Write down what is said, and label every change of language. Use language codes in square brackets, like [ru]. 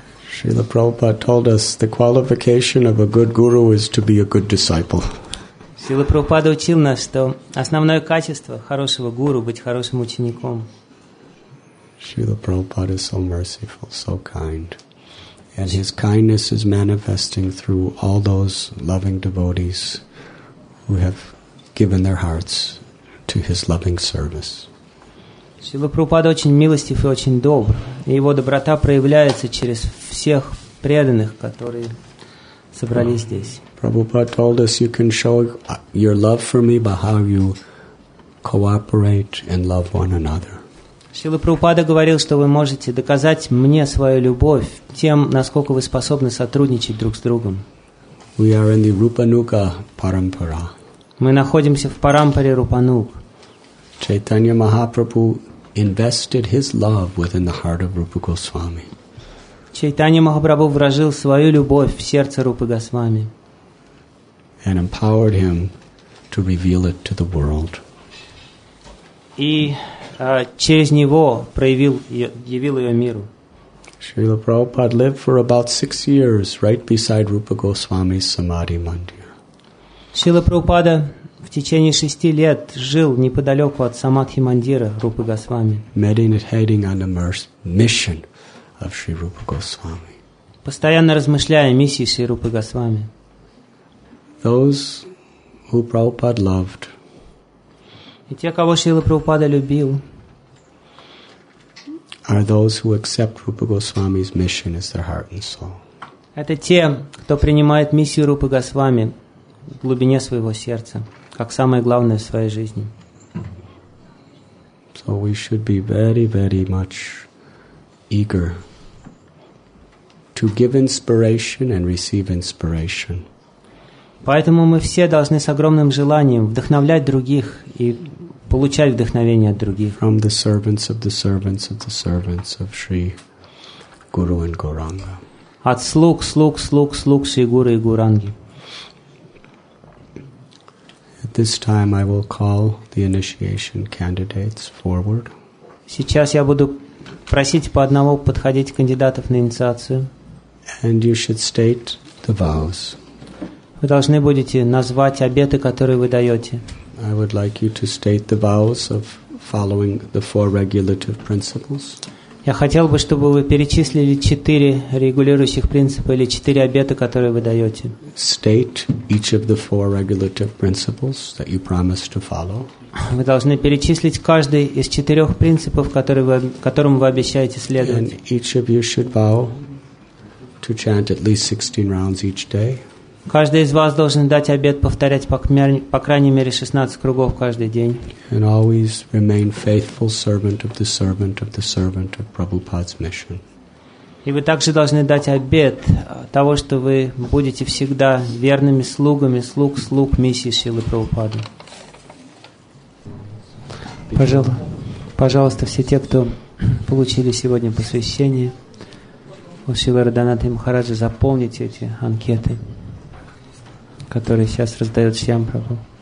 [en] Srila Prabhupada told us the qualification of a good guru is to be a good disciple. [ru] Сила Прабхупада учил нас, что основное качество хорошего гуру быть хорошим учеником. [en] Srila Prabhupada is so merciful, so kind. And his kindness is manifesting through all those loving devotees who have given their hearts to his loving service. [ru] Сила Прабхупада очень милостив и очень добр. И его доброта проявляется через всех преданных, которые собрались здесь. [en] Prabhupada told us you can show your love for me by how you cooperate and love one another. [ru] Шрила Прабхупада говорил, что вы можете доказать мне свою любовь тем, насколько вы способны сотрудничать друг с другом. [en] We are in the Rupanuga Parampara. [ru] Мы находимся в парампаре Рупануг. [en] Чайтанья Махапрабху invested his love within the heart of Rupa Goswami. [ru] Чайтанья Махапрабху вложил свою любовь в сердце Рупы Госвами. [en] And empowered him to reveal it to the world. [ru] И через него явил ее миру. [en] Srila Prabhupada lived for about 6 years right beside Rupa Goswami's Samadhi Mandir. [ru] Srila Prabhupada в течение 6 лет жил неподалеку от Самадхи Мандира Рупы Госвами. [en] Meditating on the mission of Sri Rupa Goswami. [ru] Постоянно размышляя о миссии Шри Рупы Госвами. [en] Those who Prabhupada loved. [ru] И те, кого Шрила Прабхупада любил, [en] are those who accept Rupa Goswami's mission as their heart and soul. [ru] Это те, кто принимает миссию Рупы Госвами в глубине своего сердца, как самое главное в своей жизни. [en] So we should be very, very much eager to give inspiration and receive inspiration. [ru] Поэтому мы все должны с огромным желанием вдохновлять других и получать вдохновение от других. [en] From the servants of the servants of the servants of Sri Guru and Gauranga. [ru] От слуг, слуг, слуг, слуг Шри Гуру и Гуранги. [en] At this time I will call the initiation candidates forward. [ru] Сейчас я буду просить по одному подходить кандидатов на инициацию. [en] And you should state the vows. [ru] Вы должны будете назвать обеты, которые вы даете. [en] I would like you to state the vows of following the four regulative principles. [ru] Я хотел бы, чтобы вы перечислили четыре регулирующих принципа или четыре обета, которые вы даете. [en] State each of the four regulative principles that you promise to follow. [ru] Вы должны перечислить каждый из четырех принципов, которым вы обещаете следовать. [en] And each of you should vow to chant at least 16 rounds each day. [ru] Каждый из вас должен дать обет повторять по крайней мере 16 кругов каждый день. [en] And always remain faithful servant of the servant of the servant of Prabhupada's mission. [ru] И вы также должны дать обет того, что вы будете всегда верными слугами слуг миссии Шрилы Прабхупады. Пожалуйста, все те, кто получили сегодня посвящение у Шрилы Радханатха Махараджа, заполните эти анкеты, которые сейчас раздают Шьям Прабху.